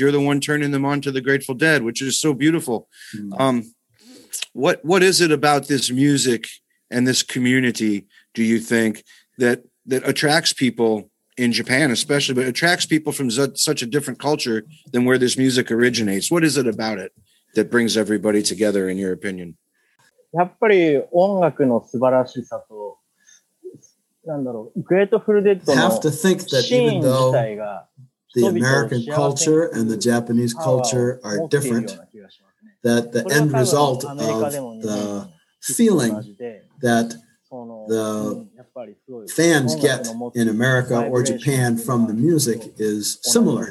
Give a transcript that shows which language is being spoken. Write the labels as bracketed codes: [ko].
[en] You're the one turning them on to the Grateful Dead, which is so beautiful. What is it about this music and this community, do you think, that attracts people in Japan especially, but attracts people from such a different culture than where this music originates? What is it about it that brings everybody together, in your opinion? [ja] やっぱり音楽の素晴らしさと、なんだろう、グレートフルデッドの [en] I have to think that even though the American culture and the Japanese culture are different, that the end result of the feeling that the fans get in America or Japan from the music is similar.